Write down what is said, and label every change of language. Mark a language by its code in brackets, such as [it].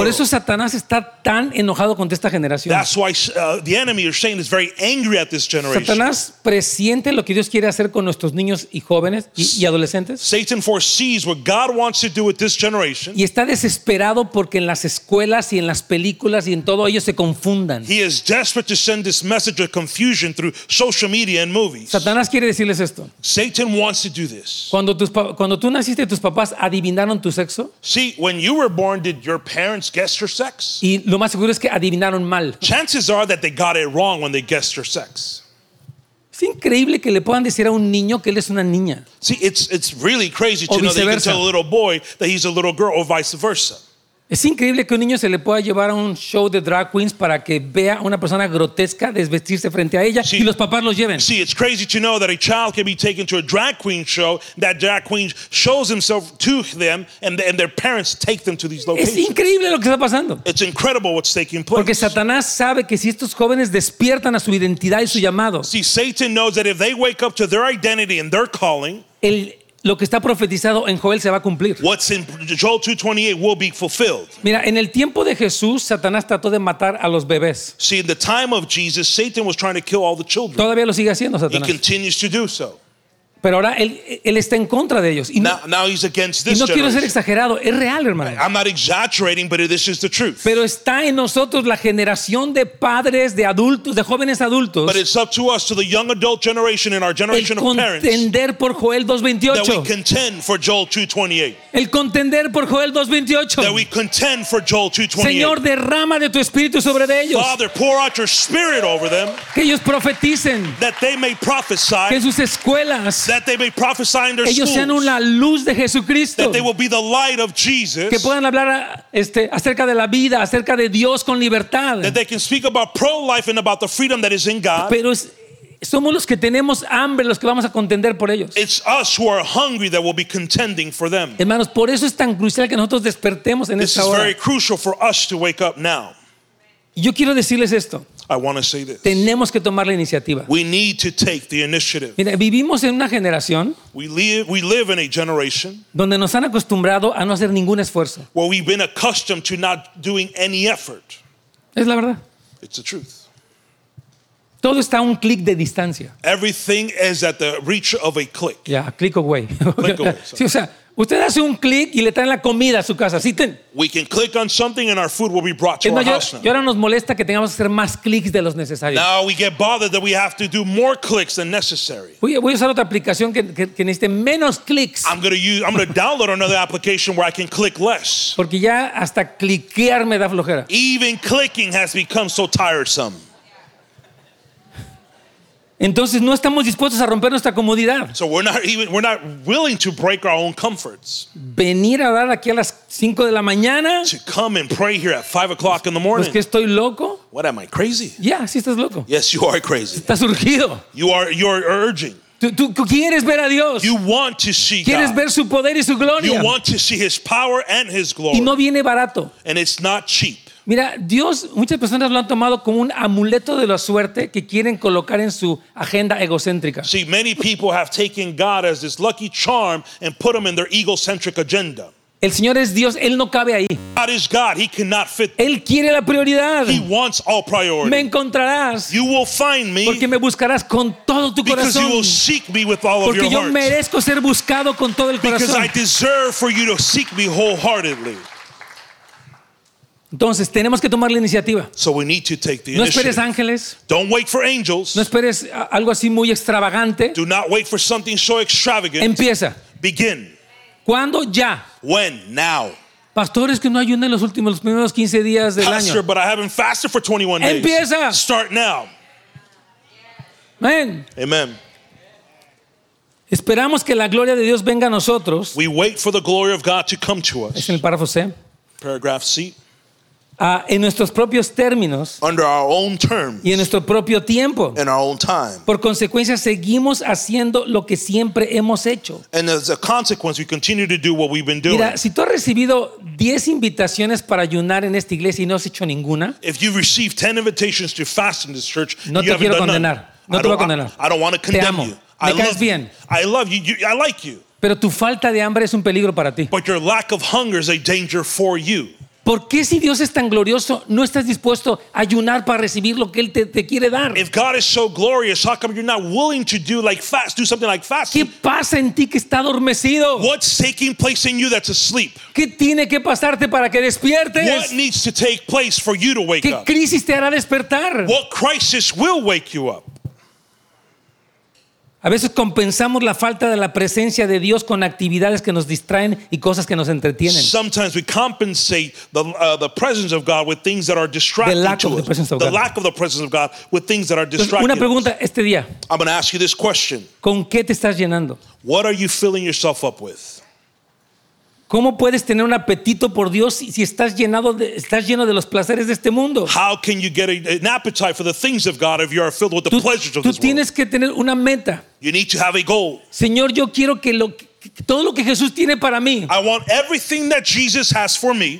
[es] Por eso Satanás está tan enojado con esta generación. [en] That's why the enemy or Satan is very angry at this generation. [es] Satanás presiente lo que Dios quiere hacer con nuestros niños y jóvenes y adolescentes. [en] Satan foresees what God wants to do with this generation. [es] Y está desesperado porque en las escuelas y en las películas y en todo ellos se confundan. [en] He is desperate to send this message of confusion through social media and movies. [es] Satanás quiere decirles esto. [en] Satan wants to do this. [es] Cuando tú naciste, tus papás adivinaron tu sexo. [en] See, when you were born, did your parents guess your sex? [es] Y lo más seguro es que adivinaron mal. [en] Chances are that they got it wrong when they guessed your sex. [es] Es increíble que le puedan decir a un niño que él es una niña. [en] See, it's really crazy to know that you can tell a little boy that he's a little girl or vice versa. [es] Es increíble que un niño se le pueda llevar a un show de drag queens para que vea a una persona grotesca desvestirse frente a ella [en] see, [es] y los papás los lleven. [en] See, it's crazy to know that a child can be taken to a drag queen show, that drag queen shows himself to them, and their parents take them to these locations. [es] Es increíble lo que está pasando. [en] It's incredible what's taking place. [es] Porque Satanás sabe que si estos jóvenes despiertan a su identidad y su llamado, [en] see, Satan knows that if they wake up to their identity and their calling, [es] lo que está profetizado en Joel se va a cumplir. [en] What's in Joel 2:28 will be fulfilled. [es] Mira, en el tiempo de Jesús, Satanás trató de matar a los bebés. [en] See, in the time of Jesus, Satan was trying to kill all the children. [es] Todavía lo sigue haciendo Satanás. [en] He continues to do so. [es] Pero ahora él está en contra de ellos. [en] Now he's against this. [es] Y no quiero ser exagerado, es real, hermano. [en] I'm not exaggerating, but this is the truth. [es] Pero está en nosotros la generación de padres, de adultos, de jóvenes adultos. [en] But it's up to us, to the young adult generation and our generation of parents. [es] El contender por Joel 2:28. [en] That we contend for Joel 2:28. [es] El contender por Joel 2:28. [en] That we contend for Joel 2:28. [es] Señor, derrama de tu espíritu sobre de ellos. [en] Father, pour out your spirit over them. [es] Que ellos profeticen. [en] That they may prophesy. [es] Que sus escuelas. [en] That they may prophesy in their [es] ellos sean una luz de Jesucristo. [en] That they will be the light of Jesus, [es] que puedan hablar acerca de la vida, acerca de Dios con libertad. [en] That they can speak about pro-life and about the freedom that is in God. [es] Pero somos los que tenemos hambre, los que vamos a contender por ellos. [en] It's us who are hungry that will be contending for them. [es] Hermanos, por eso es tan crucial que nosotros despertemos en [en] this [es] esta hora. [en] This is very crucial for us to wake up now. [es] Yo quiero decirles esto. [en] I want to say this. [es] Tenemos que tomar la iniciativa. [en] We need to take the initiative. [es] Mira, vivimos en una generación [en] we live in a generation [es] donde nos han acostumbrado a no hacer ningún esfuerzo. [en] Where we've been accustomed to not doing any effort. [es] Es la verdad. [en] It's the truth. [es] Todo está a un clic de distancia. [en] Everything is at the reach of a click. Ya, yeah, click away. Click away. [es] Sí, o sea, usted hace un clic y le traen la comida a su casa. ¿Sí? [en] We can click on something and our food will be brought to our house now. [es] Y ahora nos molesta que tengamos que hacer más clics de los necesarios. [en] Now we get bothered that we have to do more clicks than necessary. [es] Voy a usar otra aplicación que necesite menos clics. [en] I'm going to download another application where I can click less. [es] Porque ya hasta cliquear me da flojera. [en] Even clicking has become so tiresome. [es] Entonces no estamos dispuestos a romper nuestra comodidad. [en] So we're not willing to break our own comforts. [es] Venir a dar aquí a las 5 de la mañana. [en] To come and pray here at 5:00 in the morning. [es] ¿Pues que estoy loco? [en] What am I, crazy? [es] Yeah, sí estás loco. [en] Yes, you are crazy. [es] Estás urgido. [en] You're urging. [es] Tú quieres ver a Dios. [en] You want to see God. [es] Quieres ver su poder y su gloria. [en] You want to see his power and his glory. [es] Y no viene barato. [en] And it's not cheap. [es] Mira, Dios, muchas personas lo han tomado como un amuleto de la suerte que quieren colocar en su agenda egocéntrica. [en] See, many people have taken God as this lucky charm and put him in their egocentric agenda. [es] El Señor es Dios, Él no cabe ahí. [en] God is God, he cannot fit. [es] Él quiere la prioridad. [en] He wants all priority. [es] Me encontrarás. [en] You will find me. [es] Porque me buscarás con todo tu corazón. [en] Because you will seek me with all of your heart. [es] Porque yo merezco ser buscado con todo el corazón. [en] Because I deserve for you to seek me wholeheartedly. [es] Entonces tenemos que tomar la iniciativa. [en] So we need to take the [es] no esperes ángeles. [en] Don't wait for angels. [es] No esperes algo así muy extravagante. [en] Do not wait for something so extravagant. [es] Empieza. [en] Begin. [es] ¿Cuándo? Ya. [en] When? Now. [es] Pastores, que no ayunen los primeros 15 días del [en] pastor, [es] año. [en] Pastor, but I haven't fasted for 21 days. [es] Empieza. [en] Start now. [es] Amen. [en] Amen. [es] Esperamos que la gloria de Dios venga a nosotros. [en] We wait for the glory of God to come to us. [es] Es en el párrafo C. [en] Paragraph C. [es] En nuestros propios términos. [en] Under our own terms, [es] y en nuestro propio tiempo. [en] In our own time. [es] Por consecuencia, seguimos haciendo lo que siempre hemos hecho. [en] And as a consequence, we continue to do what we've been doing. [es] Mira, si tú has recibido 10 invitaciones para ayunar en esta iglesia y no has hecho ninguna, [en] if you've received 10 invitations to fast in this church, [es] no [en] you haven't done [es] none. No te voy a condenar. [en] I don't want to condemn [es] te amo. [en] You. [es] Me caes bien. [en] I love you. I like you. [es] Pero tu falta de hambre es un peligro para ti. [en] But your lack of hunger is a danger for you. [es] ¿Por qué si Dios es tan glorioso no estás dispuesto a ayunar para recibir lo que Él te quiere dar? [en] If God is so glorious, how come you're not willing to do something like fasting? [es] ¿Qué pasa en ti que está adormecido? [en] What's taking place in you that's asleep? [es] ¿Qué tiene que pasarte para que despiertes? [en] What needs to take place for you to wake up? [es] ¿Qué crisis te hará despertar? [en] What crisis will wake you up? [es] A veces compensamos la falta de la presencia de Dios con actividades que nos distraen y cosas que nos entretienen. [en] Sometimes we compensate the presence of God with things that are distracting. The lack of the presence of God. The lack of the presence of God with things that are distracting. [es] Una pregunta este día. [en] I'm going to ask you this question. [es] ¿Con qué te estás llenando? [en] What are you filling yourself up with? [es] ¿Cómo puedes tener un apetito por Dios si estás lleno de los placeres de este mundo? [en] How can you get an appetite for the things of God if you are filled with the pleasures of this world? [es] Tú tienes que tener una meta. [en] You need to have a goal. [es] Señor, yo quiero que todo lo que Jesús tiene para mí. [en] I want everything that Jesus has for me.